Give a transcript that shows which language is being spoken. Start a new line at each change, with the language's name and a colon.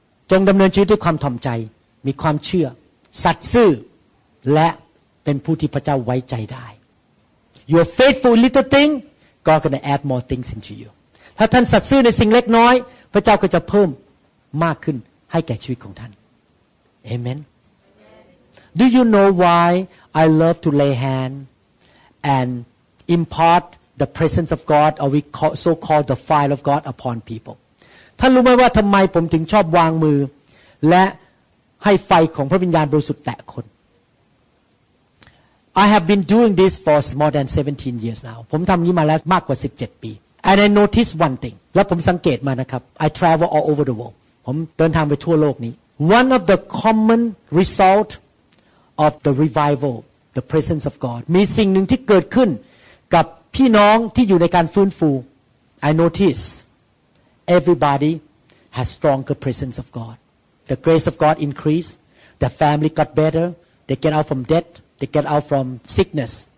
Thai: จงดำเนินชีวิตด้วยความถ่อมใจมีความเชื่อสัตย์ซื่อและเป็นผู้ที่พระเจ้าไว้ใจได้
English: You are faithful little thingGod gonna add more things into you.
Thai: ถ้าท่านสัตย์ซื่อในสิ่งเล็กน้อยพระเจ้าก็จะเพิ่มมากขึ้นให้แก่ชีวิตของท่าน Amen. Amen.
English: Do you know why I love to lay hand and impart the presence of God, or we call, so called the fire of God upon people?
Thai: ท่านรู้ไหมว่าทำไมผมถึงชอบวางมือและให้ไฟของพระวิญญาณบริสุทธิ์แตะคน
English: I have been doing this for more than 17 years now.
Thai: ผมทำนี้มาแล้วมากกว่า17ปี
English: And I noticed one thing.
Thai: แล้วผมสังเกตมานะครับ
English: I travel all over the world.
Thai: ผมเดินทางไปทั่วโลกนี้
English: One of the common result of the revival, the presence of God.
Thai: มีสิ่งหนึ่งที่เกิดขึ้นกับพี่น้องที่อยู่ในการฟื้นฟู
English: I notice everybody has stronger presence of God. The grace of God increased. The family got better. They get out from debtThey get out from sickness.